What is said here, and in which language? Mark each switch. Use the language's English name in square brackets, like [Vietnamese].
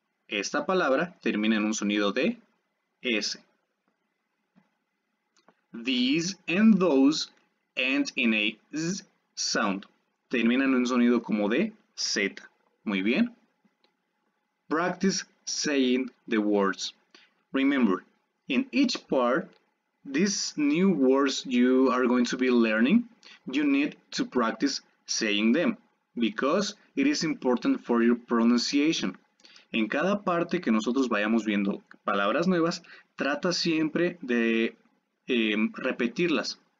[Spanish] Esta palabra termina en un sonido de s. [English] These and those end in a z sound. [Spanish] Terminan en un sonido como de z. Muy bien. [English] Practice saying the words. Remember, in each part, these new words you are going to be learning, you need to practice saying them, because it is important for your pronunciation. [Spanish] En cada parte que nosotros vayamos viendo palabras nuevas, trata siempre de repetirlas.